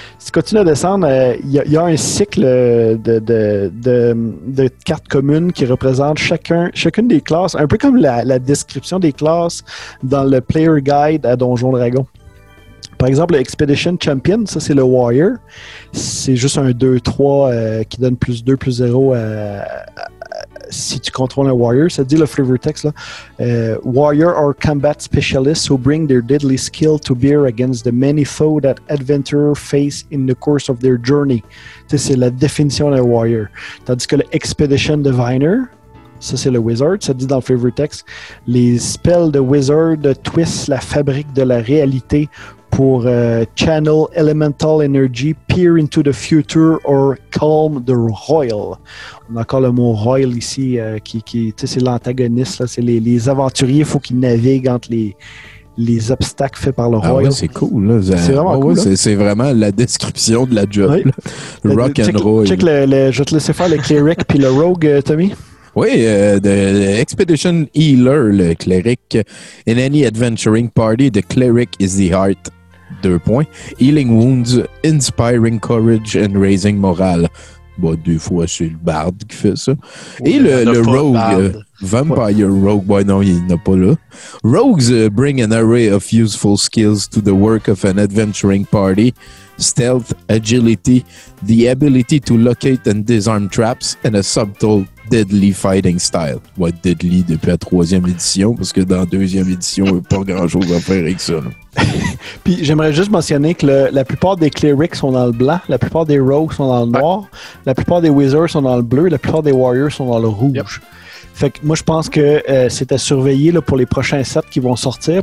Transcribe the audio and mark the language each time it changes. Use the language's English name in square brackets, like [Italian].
[French] Si tu continues à descendre, il y a un cycle de cartes communes qui représentent chacune des classes, un peu comme la description des classes dans le Player Guide à Donjons Dragon. Par exemple, le Expedition Champion, ça c'est le Warrior. C'est juste un 2-3 qui donne plus 2, plus 0 si tu contrôles un warrior, ça dit le flavor text là. [English] Warrior or combat specialists who bring their deadly skill to bear against the many foes that adventurers face in the course of their journey. [French] T'sais, c'est la définition d'un warrior. Tandis que le expedition diviner, ça c'est le wizard, ça dit dans le flavor text, les spells de wizard twistent la fabrique de la réalité pour [English] channel elemental energy, peer into the future or calm the royal. [French] On a encore le mot royal ici, qui tu sais, c'est l'antagoniste, là, c'est les aventuriers, il faut qu'ils naviguent entre les obstacles faits par le royal. Ah ouais, c'est cool, là. C'est vraiment cool. Ouais, c'est vraiment la description de la job. Oui. [English] Rock and roll. [French] Check je vais te laisser faire le cleric puis le rogue, Tommy. Oui, the Expedition Healer, le cleric. [English] In any adventuring party, the cleric is the heart. 2 points. Healing wounds, inspiring courage and raising morale. [French] Bon, deux fois, c'est le bard qui fait ça. Et le rogue, vampire rogue. Bon, non, il n'a pas là. [English] Rogues bring an array of useful skills to the work of an adventuring party. Stealth, agility, the ability to locate and disarm traps, and a subtle deadly fighting style. [French] Ouais, deadly depuis la 3e édition, parce que dans la 2e édition, il n'y a pas grand-chose à faire avec ça. Puis j'aimerais juste mentionner que la plupart des clerics sont dans le blanc, la plupart des rogues sont dans le noir, la plupart des wizards sont dans le bleu, la plupart des warriors sont dans le rouge. Yep. Fait que moi, je pense que c'est à surveiller là, pour les prochains sets qui vont sortir.